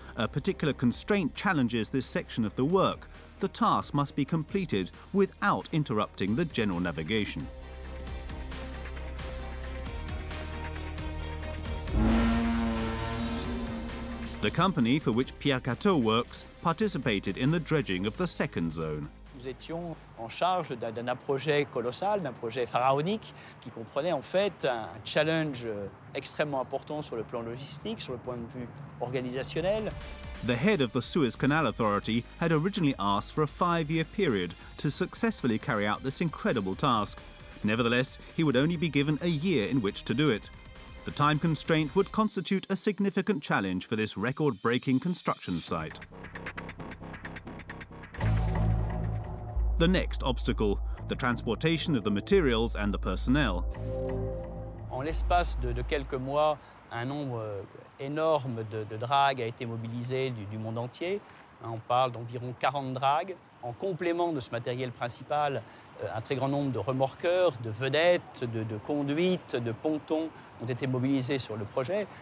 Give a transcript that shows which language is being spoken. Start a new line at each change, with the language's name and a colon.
English: A particular constraint challenges this section of the work. The task must be completed without interrupting the general navigation. The company for which Pierre Cateau works participated in the dredging of the second zone.
French: Nous étions en charge d'un projet colossal, d'un projet pharaonique qui comprenait en fait un challenge extrêmement important sur le plan logistique, sur le point de vue organisationnel.
English: The head of the Suez Canal Authority had originally asked for a 5-year period to successfully carry out this incredible task. Nevertheless, he would only be given a year in which to do it. The time constraint would constitute a significant challenge for this record-breaking construction site. The next obstacle, the transportation of the materials and the personnel.
French: En l'espace de quelques mois, un nombre énorme de dragues a été mobilisé du monde entier. On parle d'environ 40 dragues. En complément de ce matériel principal, un très grand nombre de remorqueurs, de vedettes, de conduites, de pontons ont été mobilisés sur le projet.